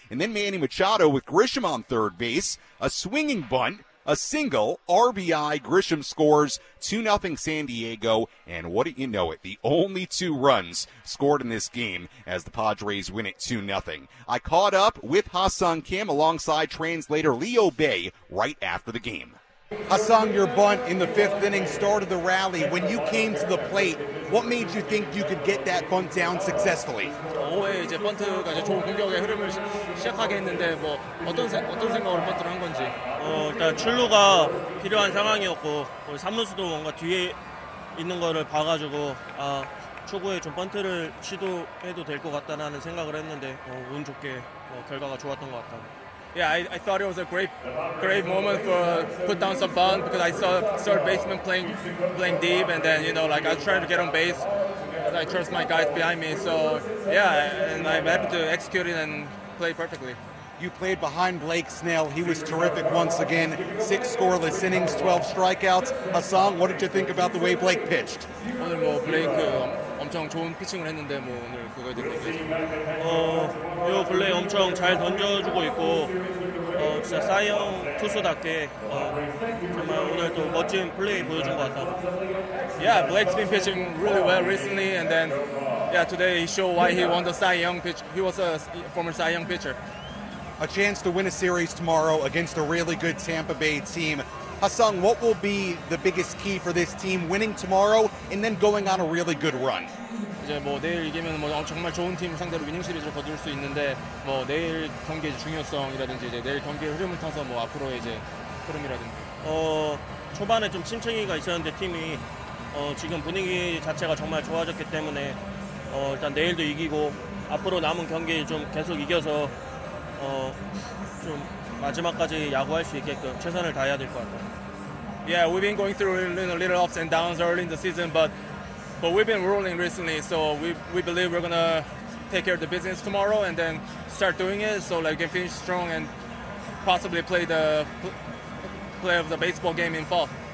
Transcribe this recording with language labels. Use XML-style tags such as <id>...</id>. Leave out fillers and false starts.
<en>And then Manny Machado with Grisham on third base, a swinging bunt, a single, RBI, Grisham scores, 2-0 San Diego, and what do you know it, the only two runs scored in this game as the Padres win it 2-0. I caught up with Ha-Sung Kim alongside translator Leo Bay right after the game. Ha-Sung, your bunt in the fifth inning started the rally. When you came to the plate, what made you think you could get that bunt down successfully?</en> <ko>5회 이제 번트가 이제 좋은 공격의 흐름을 시작하게 했는데 뭐 어떤 생각으로 번트를 한 건지. 일단 출루가 필요한 상황이었고 삼루수도 뭔가 뒤에 있는 거를 봐가지고 아 초구에 좀 번트를 시도해도 될 것 같다는 생각을 했는데 운 좋게 결과가 좋았던 것 같아요.</ko> <en>Yeah, I thought it was a great moment for put down some bunt because I saw third baseman playing deep, and then you know, like I was trying to get on base. I trust my guys behind me, so yeah, and I'm happy to execute it and play perfectly. You played behind Blake Snell. He was terrific once again. 6 scoreless innings, 12 strikeouts. Ha-Sung, what did you think about the way Blake pitched?</en> <ko>오늘 뭐 블레이크 엄청 좋은 피칭을 했는데 뭐 오늘 그거에 대해서 요 블레이크 엄청 잘 던져주고 있고 진짜 사이영 투수답게 정말 오늘 또 멋진 플레이 보여준 것 같다.</ko> <en>Yeah, Blake's been pitching really well recently, and then yeah, today he showed why he won the Cy Young pitch. He was a former Cy Young pitcher. A chance to win a series tomorrow against a really good Tampa Bay team. Ha-Sung, what will be the biggest key for this team winning tomorrow and then going on a really good run?</en> <ko>이제 뭐 내일 이기면 뭐 정말 좋은 팀 상대로 위닝 시리즈를 거둘 수 있는데 뭐 내일 경기의 중요성이라든지 이제 내일 경기의 흐름을 타서 뭐 앞으로의 이제 흐름이라든지 초반에 좀 침체기가 있었는데 팀이 지금 분위기 자체가 정말 좋아졌기 때문에 일단 내일도 이기고 앞으로 남은 경기 좀 계속 이겨서 좀 마지막까지 야구할 수 있게끔 최선을 다해야 될 것 같아요.</ko> <en>Yeah, we've been going through little ups and downs early in the season, but we've been rolling recently, so we believe we're gonna take care of the business tomorrow and then start doing it, so like we can finish strong and possibly play the play of the baseball game in fall.</en>